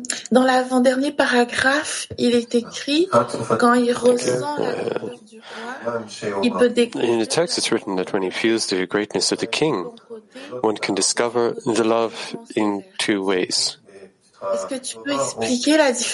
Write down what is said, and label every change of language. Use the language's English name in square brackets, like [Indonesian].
[French] Dans l'avant-dernier paragraphe, il est écrit quand il ressent la douleur du roi, il peut découvrir. [English] In the text, it's written that when he feels the greatness of the king, one can discover the love in two ways. [French] Est-ce que tu peux expliquer la différence?